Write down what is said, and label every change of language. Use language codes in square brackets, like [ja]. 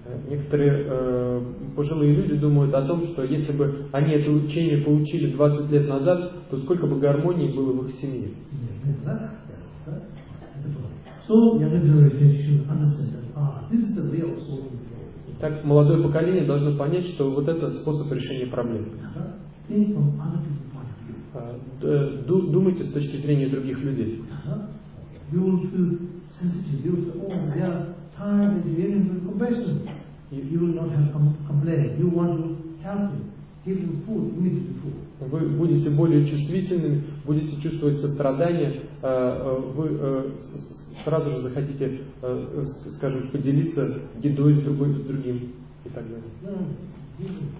[ru] Некоторые пожилые люди думают о том, что если бы они это учение получили 20 лет назад, то сколько бы гармонии было в их семье. [en] Yes, yes, yes. So, younger generation should understand that, this is the way of solving the problem. [ru] Итак, молодое поколение должно понять, что вот это способ решения проблемы. [en] Think from other people's point of view. [ru] Думайте с точки зрения других людей. [en] You will feel sensitive, you will feel, oh, yeah. Time is given for compassion. If you will not have complaint, you want to help him, give him food, immediately food. [ru] Вы будете более чувствительными, будете чувствовать сострадание, вы сразу же захотите, скажем, поделиться едой с другой, с другим и так далее.